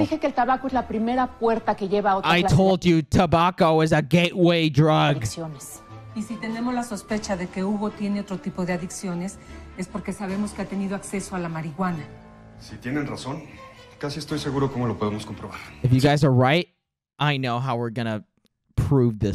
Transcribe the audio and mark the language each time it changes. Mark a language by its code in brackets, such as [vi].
[es] Les dije que el tabaco es la primera puerta que lleva a otra [en] I told you tobacco is a gateway drug. [es] Y si tenemos la sospecha de que Hugo tiene otro tipo de adicciones, es porque sabemos que ha tenido acceso a la marihuana. Si tienen razón, casi estoy seguro cómo lo podemos comprobar. [en] If you guys are right, I know how we're gonna prove this.